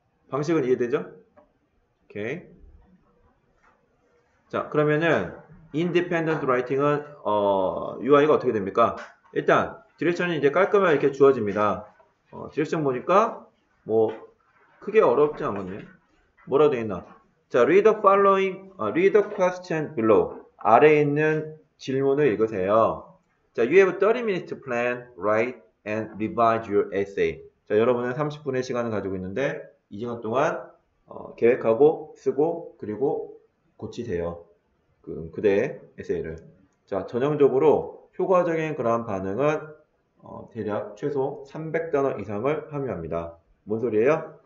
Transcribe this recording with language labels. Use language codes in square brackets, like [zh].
[ko] 방식은 이해되죠? 오케이. 자, 그러면은 independent writing은 UI가 어떻게 됩니까? 일단 디렉션이 이제 깔끔하게 이렇게 주어집니다. 디렉션 보니까 뭐 크게 어렵지 않겠네. 뭐라고 돼 있나? [en] 자, read the following, read the question below. [ko] 아래에 있는 질문을 읽으세요. [en] 자, you have a 30 minutes to plan, write, and revise your essay. [ko] 자, 여러분은 30분의 시간을 가지고 있는데 이 시간 동안 계획하고 쓰고 그리고 고치세요. 그대의 에세이를. 자, 전형적으로 효과적인 그런 반응은 대략 최소 300단어 이상을 함유합니다. 뭔 소리예요?